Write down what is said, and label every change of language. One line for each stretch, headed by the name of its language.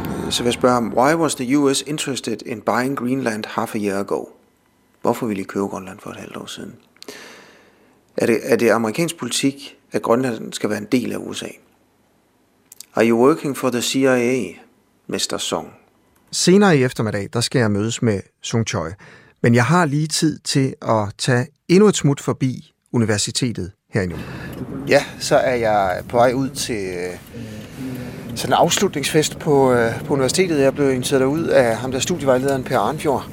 Danish: Så vil jeg spørge ham,
English: why was the US interested in buying Greenland half a year ago?
Danish: Hvorfor ville I købe Grønland for 1,5 år siden? Er det amerikansk politik, at Grønland skal være en del af USA?
English: Are you working for the CIA, Mr. Song?
Danish: Senere i eftermiddag, der skal jeg mødes med Sung Choi. Men jeg har lige tid til at tage endnu et smut forbi universitetet her i Nuuk. Ja, så er jeg på vej ud til sådan en afslutningsfest på universitetet. Jeg blev inviteret derud af ham, der studievejlederen Per Arnfjord.